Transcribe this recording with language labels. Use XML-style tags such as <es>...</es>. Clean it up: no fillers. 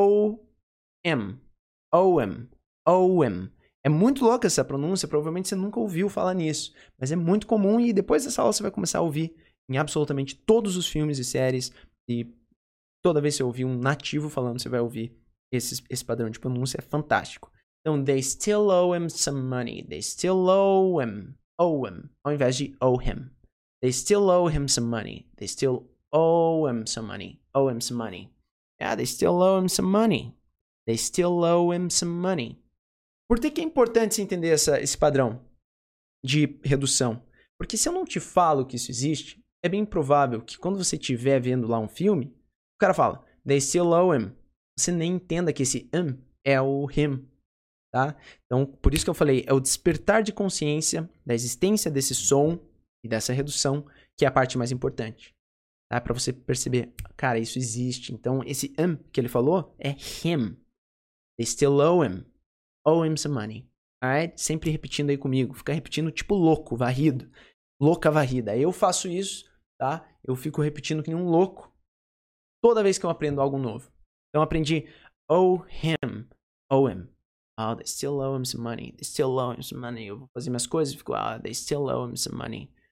<pt>O-M. O-M. O-M. É muito louca essa pronúncia. Provavelmente você nunca ouviu falar nisso. Mas é muito comum. E depois dessa aula você vai começar a ouvir em absolutamente todos os filmes e séries. E toda vez que você ouvir um nativo falando, você vai ouvir esse padrão de pronúncia. É fantástico. Então,</pt> <en>they still owe him some money. They still owe him,</en> <pt>ao invés de</pt> <en>owe him. They still owe him some money. They still owe him some money. Owe him some money. Yeah, they still owe him some money. They still owe him some money.</en> <pt>Por que é importante você entender esse padrão de redução? Porque se eu não te falo que isso existe, é bem provável que quando você estiver vendo lá um filme, o cara fala,</pt> <en>they still owe him.</en> <pt>Você nem entenda que esse him é o him. Tá? Então, por isso que eu falei, é o despertar de consciência da existência desse som e dessa redução que é a parte mais importante. Tá? Pra você perceber, cara, isso existe. Então, esse am que ele falou é him.</pt> <en>They still owe him. Owe him some money. Alright?</en> <pt>Sempre repetindo aí comigo. Fica repetindo tipo louco, varrido. Louca varrida. Eu faço isso, tá? Eu fico repetindo que nem um louco toda vez que eu aprendo algo novo. Então, aprendi</pt> <en>owe him. Owe him. Oh, they still owe him some money. They still owe him some money.</en> <pt>Eu vou fazer minhas coisas e fico, ah,</pt> <en>they still owe him some money.</en>